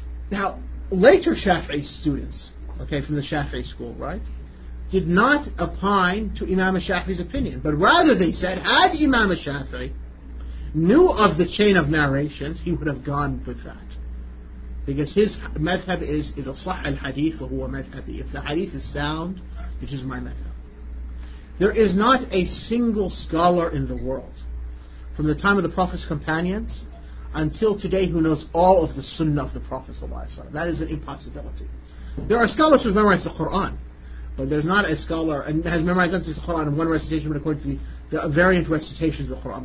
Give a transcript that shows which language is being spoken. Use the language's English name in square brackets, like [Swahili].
[English] Now, later Shafi'i students, okay, from the Shafi'i school, right, did not opine to Imam al-Shafi'i's opinion, but rather they said, had Imam al-Shafi'i knew of the chain of narrations, he would have gone with that. Because his madhab is, [Arabic] إِذَا صَحَّ الْحَدِيثُ فَهُوَ مَذْهَبِي. [English] If the hadith is sound, which is my madhab. There is not a single scholar in the world, from the time of the Prophet's companions until today, who knows all of the sunnah of the Prophet ﷺ. That is an impossibility. There are scholars who have memorized the Quran, but there's not a scholar and has memorized the Quran in one recitation, but according to the variant recitations of the Quran.